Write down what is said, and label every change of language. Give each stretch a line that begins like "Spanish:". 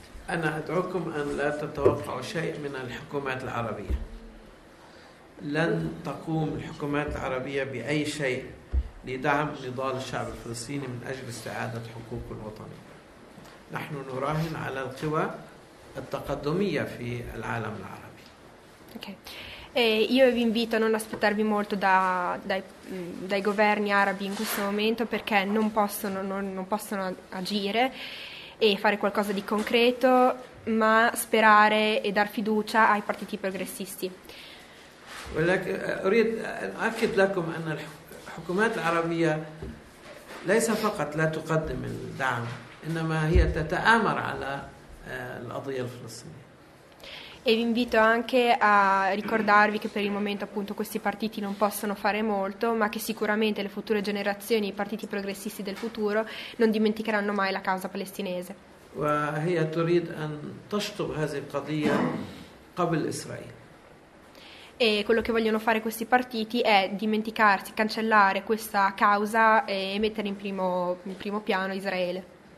Arabic: أنا أدعوكم أن لا تتوقعوا شيء من الحكومات العربية. لن تقوم الحكومات العربية بأي شيء لدعم نضال الشعب الفلسطيني من أجل استعادة حقوقه الوطنية. نحن نراهن على القوى التقدمية في العالم العربي. Okay.
Italian: Io vi invito a non aspettarvi molto dai governi arabi in questo momento, perché non possono agire e fare qualcosa di concreto, ma sperare e dar fiducia ai partiti progressisti.
Arabic: ولكن اريد ان اؤكد لكم ان الحكومات العربيه ليس فقط لا تقدم الدعم انما هي تتآمر على القضيه الفلسطينيه.
Italian: E vi invito anche a ricordarvi che per il momento appunto questi partiti non possono fare molto, ma che sicuramente le future generazioni, i partiti progressisti del futuro, non dimenticheranno mai la causa palestinese. E quello che vogliono fare questi partiti è dimenticarsi, cancellare questa causa e mettere in primo piano Israele.